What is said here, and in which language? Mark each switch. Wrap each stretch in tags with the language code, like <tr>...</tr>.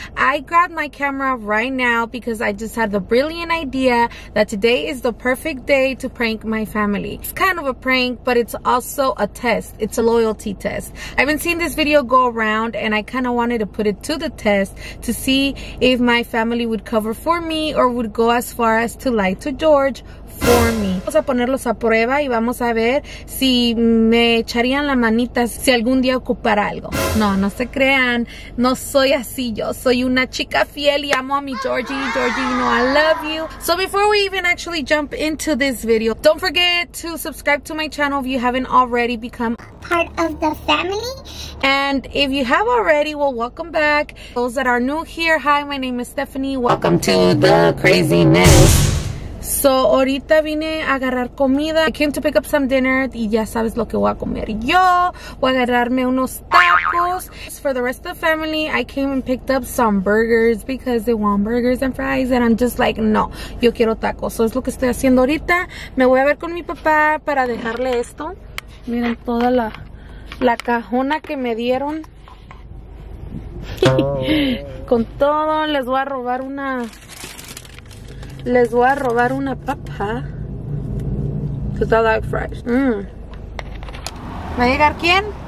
<en>I grabbed my camera right now because I just had the brilliant idea that today is the perfect day to prank my family. It's kind of a prank, but it's also a test. It's a loyalty test. I've been seeing this video go around and I kind of wanted to put it to the test to see if my family would cover for me or would go as far as to lie to George for me.</en> <es>Vamos a ponerlos a prueba y vamos a ver si me echarían la manita si algún día ocupara algo. No, no se crean, no soy así yo. Soy una chica fiel y amo a mi Georgie.</es> <en>Georgie, you know I love you. So before we even actually jump into this video, don't forget to subscribe to my channel if you haven't already become part of the family. And if you have already, well, welcome back. Those that are new here, hi, my name is Stephanie. Welcome to the craziness. So, ahorita vine a agarrar comida. I came to pick up some dinner.</en> <es>Y ya sabes lo que voy a comer yo. Voy a agarrarme unos tacos.</es> <en>For the rest of the family, I came and picked up some burgers because they want burgers and fries.</en> <es>And I'm just like, no, yo quiero tacos. So, es lo que estoy haciendo ahorita. Me voy a ver con mi papá para dejarle esto. Miren toda la cajona que me dieron. Con todo, les voy a robar una... Les voy a robar una papa. Because I like fries. ¿Va a llegar quién?</es>